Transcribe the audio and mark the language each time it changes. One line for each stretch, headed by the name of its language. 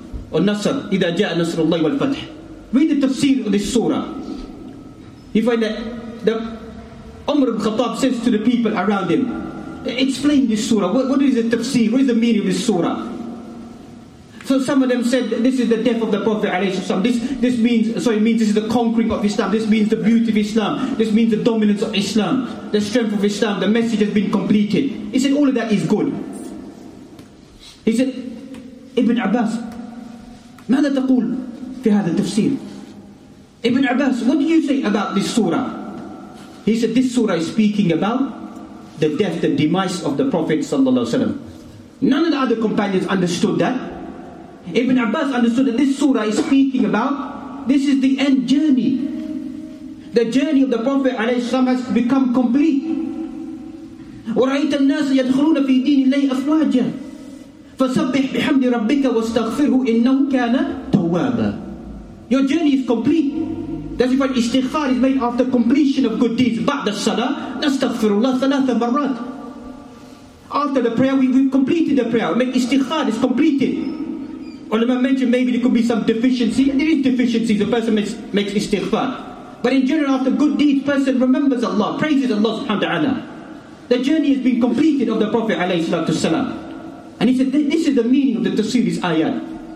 Arabic: Or Nasr, إِذَا جَاءَ نَصْرُ اللَّهِ وَالْفَتْحِ.
English: Read the tafsir of this surah. You find that the Umar ibn Khattab says to the people around him, explain this surah. What is the tafsir? What is the meaning of this surah? So some of them said, this is the death of the Prophet alayhi wa sallam. This means this is the conquering of Islam. This means the beauty of Islam. This means the dominance of Islam. The strength of Islam. The message has been completed. He said, all of that is good. He said, Ibn Abbas,
Arabic: ماذا تقول في هذا التفسير?
English: Ibn Abbas, what do you say about this surah? He said, this surah is speaking about the death, the demise of the Prophet sallallahu alaihi wasallam. None of the other companions understood that. Ibn Abbas understood that this surah is speaking about, this is the end journey. The journey of the Prophet alayhi wasallam has become complete.
Arabic: وَرَأَيْتَ النَّاسَ يَدْخُلُونَ فِي دِينِ اللَّهِ أَفْوَاجًا فَسَبِّحْ بِحَمْدِ رَبِّكَ وَاسْتَغْفِرْهُ إِنَّهُ كَانَ تَوَّابًا.
English: Your journey is complete. That's why istighfar is made after completion of good deeds.
Arabic: بعد الصلاة نستغفر الله ثلاث مرات.
English: After the prayer, we've completed the prayer. Make istighfar, it's completed. Ulama mentioned maybe there could be some deficiency. There is deficiencies. The person makes istighfar. But in general, after good deeds, person remembers Allah, praises Allah subhanahu wa ta'ala. The journey has been completed of the Prophet alayhi salatu wasalam. And he said, this is the meaning of the tafsir, this ayat.